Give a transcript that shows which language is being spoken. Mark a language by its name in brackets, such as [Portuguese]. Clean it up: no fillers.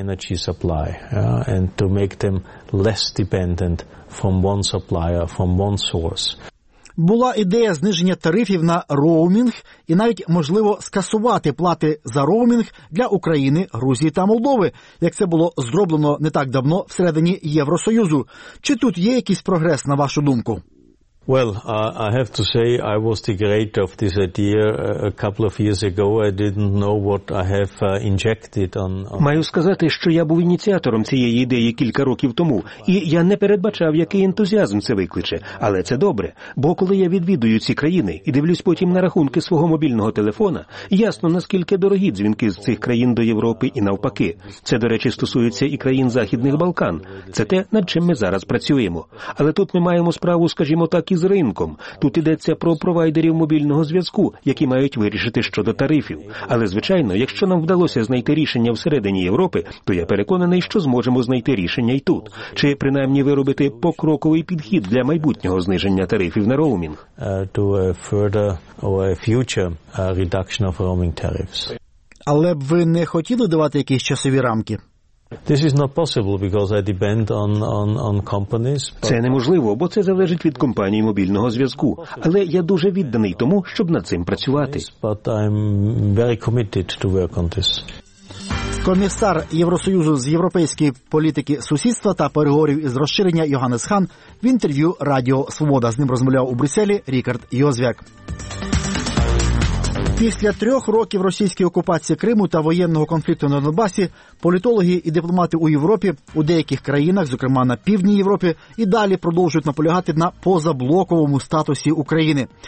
[English] Energy supply, and to make them less dependent from one supplier, from one source. [Ukrainian] Була ідея зниження тарифів на роумінг і навіть, можливо, скасувати плати за роумінг для України, Грузії та Молдови, як це було зроблено не так давно всередині Євросоюзу. Чи тут є якийсь прогрес, на вашу думку? [English] Well, I have to say I was the creator of this idea a couple of years ago. I didn't know what I have injected on. [Ukrainian] Маю сказати, що я був ініціатором цієї ідеї кілька років тому, і я не передбачав, який ентузіазм це викличе. Але це добре, бо коли я відвідую ці країни і дивлюсь потім на рахунки свого мобільного телефона, ясно, наскільки дорогі дзвінки з цих країн до Європи і навпаки. Це, до речі, стосується і країн Західних Балкан. Це те, над чим ми зараз працюємо. Але тут ми маємо справу, скажімо так, із ринком. Тут йдеться про провайдерів мобільного зв'язку, які мають вирішити щодо тарифів. Але, звичайно, якщо нам вдалося знайти рішення всередині Європи, то я переконаний, що зможемо знайти рішення і тут. Чи принаймні виробити покроковий підхід для майбутнього зниження тарифів на роумінг. [English] To a further or a future reduction of roaming tariffs. [Ukrainian] Але б ви не хотіли давати якісь часові рамки? [English] This is not possible because I depend on companies. [Ukrainian] Це неможливо, бо це залежить від компаній мобільного зв'язку. Але я дуже відданий тому, щоб над цим працювати. [English] But I'm very committed to work on this. [Ukrainian] Комісар Євросоюзу з європейської політики сусідства та переговорів із розширення Йоганнес Ган в інтерв'ю Радіо Свобода. З ним розмовляв у Брюсселі Рікард Йозвяк. Після 3 років російської окупації Криму та воєнного конфлікту на Донбасі політологи і дипломати у Європі, у деяких країнах, зокрема на Півдні Європі, і далі продовжують наполягати на позаблоковому статусі України.